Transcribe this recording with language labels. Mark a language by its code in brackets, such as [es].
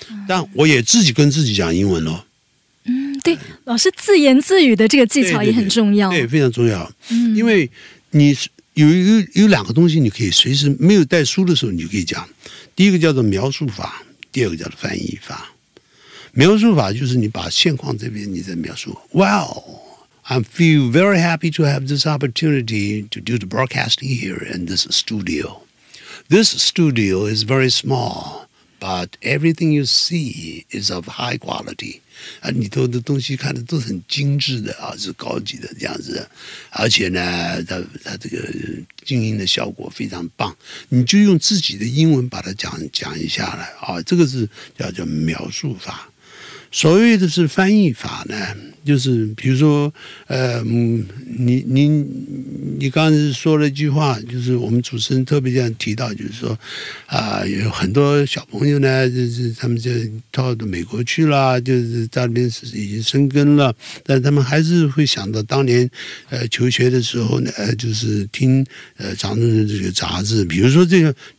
[zh] 但我也自己跟自己讲英文哦。嗯，对，老师自言自语的这个技巧也很重要。对，非常重要。嗯，因为你有两个东西你可以随时没有带书的时候你就可以讲，第一个叫做描述法，第二个叫做翻译法。描述法就是你把现况这边你在描述， [en] Well, I feel very happy to have this opportunity to do the broadcasting here in this studio. This studio is very small, but everything you see is of high quality. [zh] 啊，里头的东西看的都很精致的啊，是高级的这样子，而且呢，它这个静音的效果非常棒。你就用自己的英文把它讲一下来啊，这个是叫描述法。所谓的是翻译法呢，就是比如说，你刚才说了一句话，就是我们主持人特别这样提到，就是说，有很多小朋友呢，就是他们就到美国去了，就是在那边已经生根了，但他们还是会想到当年，求学的时候呢，就是听长春的这个杂志，比如说这个。